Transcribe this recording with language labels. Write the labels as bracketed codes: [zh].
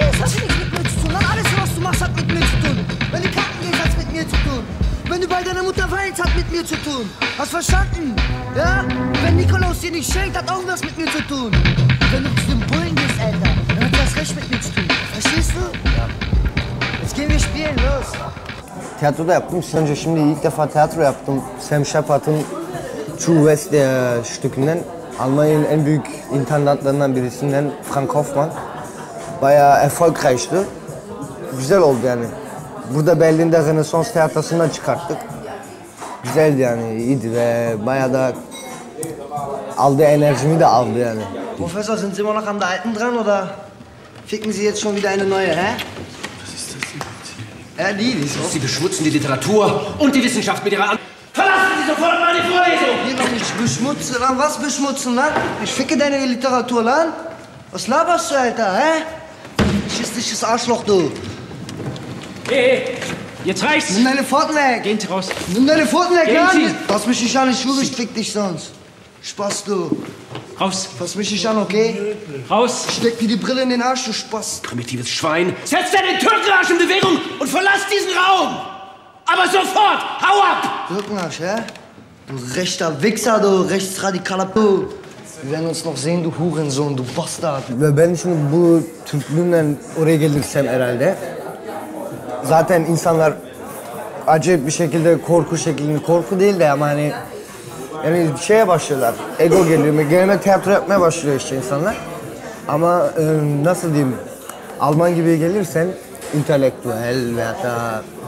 [de] Das hat nichts mit mir zu tun. Alles, was du machst, hat mit mir zu tun. Wenn du Karten gehst, hat's mit mir zu tun. Wenn du bei deiner Mutter weinst, hat mit mir zu tun. Hast verstanden? Ja? Wenn Nikolaus dir nicht schenkt, hat auch was mit mir zu tun. Wenn du zu den Bullen gehst, Alter, dann hat das recht mit mir zu tun. Verstehst du? Ja. Jetzt gehen wir spielen, los. [tr] Tiyatro da yaptım. Sence şimdi ilk defa tiyatro yaptım. Sam Shepard'ın True West diye stükünden, Almanya'nın en büyük intendantlarından birisinden Frank Hoffmann. Bayağı erfolgreichti. Güzel oldu yani. Burada Berlin'de Renaissance Tiyatrosu'ndan çıkarttık. Güzeldi yani, iyiydi ve bayağı da aldığı enerjimi de aldı yani. [de] Professor, sind Sie immer noch am der Alten dran oder ficken Sie jetzt schon wieder eine neue, hä? Was ist das denn? Ja, die, Sie beschmutzen die Literatur und die Wissenschaft mit ihrer Verlassen Sie sofort meine Vorlesung! Hier noch nicht beschmutzen, was beschmutzen, lan? Ich ficke deine Literatur, lan? Was laberst du, Alter, hä? Schistisches Arschloch, du! Hey, hey, jetzt reicht's! Nimm deine Pfoten weg! Gehen Sie raus! Nimm deine Pfoten weg, [tr] lan! [de] Fass mich nicht an, ich schwöre, ich fick dich sonst! Spaß, du! Raus! Fass mich nicht an, okay? Raus! Steck dir die Brille in den Arsch, du Spaß! Primitives Schwein! Setz deinen Türkenarsch in Bewegung und verlass diesen Raum! Aber sofort! Hau ab! Türkenarsch, hä? Du rechter Wichser, du rechtsradikaler Du! Wir werden uns noch sehen, du Hurensohn, du Bastard! [tr] Ve ben şimdi bu Türklüğümden oraya gelirsem herhalde. Zaten insanlar acayip bir şekilde korku şeklinde, korku değil de ama hani... Yani şeye başlıyorlar, ego geliyor, gelme tiyatro yapmaya başlıyor işte insanlar. Ama nasıl diyeyim, Alman gibi gelirsen, intelektüel veyahut da...